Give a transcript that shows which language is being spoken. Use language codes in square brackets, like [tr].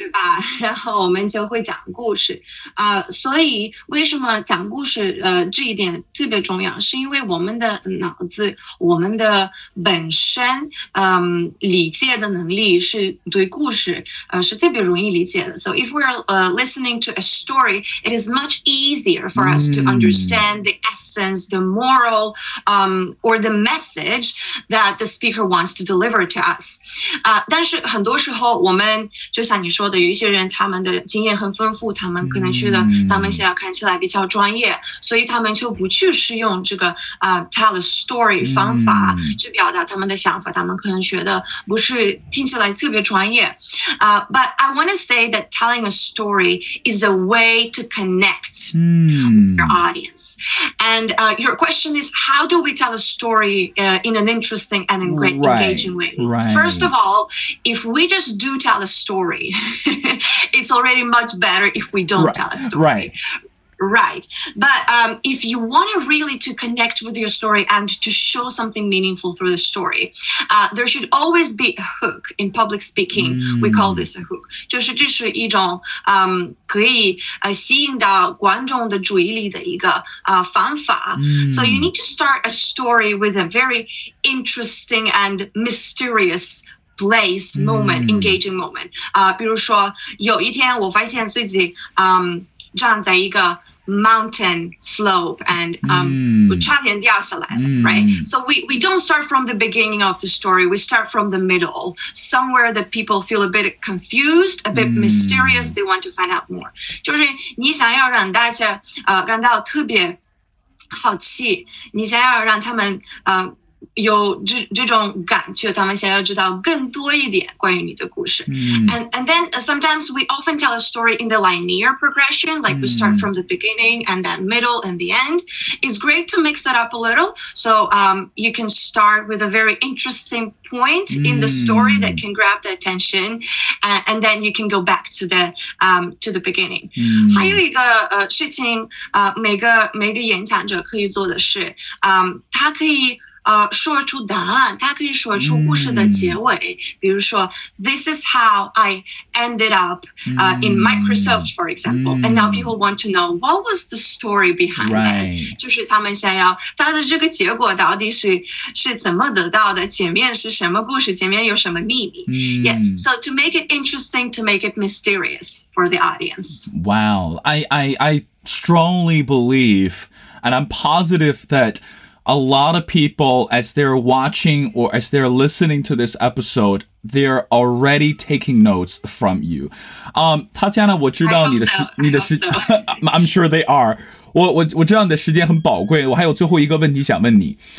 [zh] 对吧，然后我们就会讲故事。所以为什么讲故事这一点特别重要，是因为我们的脑子我们的本身理解的能力是对故事是特别容易理解的。 [en] So if we're listening to a story, it is much easier for us to understand the essence, the moral, or the message that the speaker wants to deliver to us. [zh] 但是很多时候我们就像你说的，有一些人他们的经验很丰富，他们可能觉得他们现在看起来比较专业，所以他们就不去试用这个 [en] tell a story [zh] 方法去表达他们的想法，他们可能觉得不是听起来特别专业。 [en] But I want to say that telling a story is a way to connect your audience. And your question is, how do we tell a story in an interesting and great engaging way? Right. First of all, if we just do tell a story, it's already much better if we don't tell a story. Right. But if you want to really to connect with your story and to show something meaningful through the story, there should always be a hook in public speaking. We call this a hook. [zh] 就是这是一种可以吸引到观众的注意力的一个方法。 [en] So you need to start a story with a very interesting and mysterious place, moment, engaging moment. [zh] 比如说有一天我发现自己站在一个 [en] mountain slope and right? So we don't start from the beginning of the story, we start from the middle, somewhere that people feel a bit confused, a bit mysterious, they want to find out more. [zh] 就是你想要让大家感到特别好奇，你想要让他们有这种感觉，他们想要知道更多一点关于你的故事。 [en] And then sometimes we often tell a story in the linear progression, like we start from the beginning and then middle and the end. It's great to mix that up a little. So you can start with a very interesting point in the story that can grab the attention, and then you can go back to the beginning. [zh] 还有一个事情，每个演讲者可以做的是，他可以说出答案，他可以说出故事的结尾，比如说 [en] This is how I ended up in Microsoft, for example. And now people want to know what was the story behind it. [zh] 就是他们想要他的这个结果到底是怎么得到的，前面是什么故事，前面有什么秘密。 [en] Yes, so to make it interesting, to make it mysterious for the audience. Wow, I strongly believe, and I'm positive thatA lot of people, as they're watching or as they're listening to this episode, they're already taking notes from you. Tatiana, [zh] 我知道你的时 [en] I'm sure they are. [zh] 我知道你的时间很宝贵，我还有最后一个问题想问你。